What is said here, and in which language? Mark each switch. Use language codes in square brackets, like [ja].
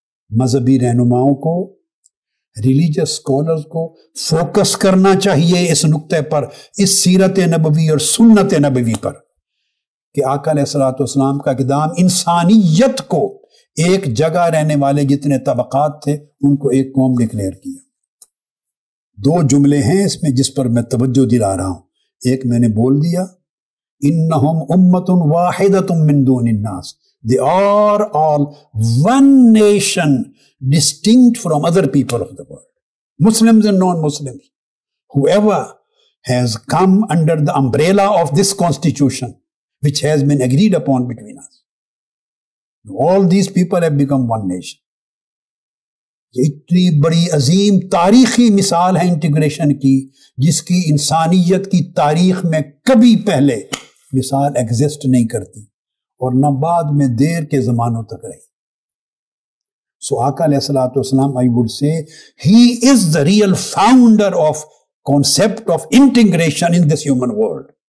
[ur] مذہبی رہنماؤں کو، ریلیجیس اسکالرز کو فوکس کرنا چاہیے اس نقطے پر، اس سیرت نبوی اور سنت نبوی پر، کہ آقا علیہ الصلوۃ والسلام کا اقدام انسانیت کو ایک جگہ رہنے والے جتنے طبقات تھے ان کو ایک قوم ڈکلیئر کیا. دو جملے ہیں اس میں جس پر میں توجہ دلا رہا ہوں. ایک میں نے بول دیا، [ar] انہم امتن واحدتن من دون الناس، [en] They are all one nation, distinct from other people of the world, Muslims and non-Muslims. Whoever has come under the umbrella of this constitution, which has been agreed upon between us, all these people have become one nation. [ur] اتنی بڑی عظیم تاریخی مثال ہے integration کی جس کی انسانیت کی تاریخ میں کبھی پہلے مثال ایگزسٹ نہیں کرتی اور نہ بعد میں دیر کے زمانوں تک رہی. [en] So آقا علیہ الصلوۃ والسلام I would say he is the real founder of concept of integration in this human world.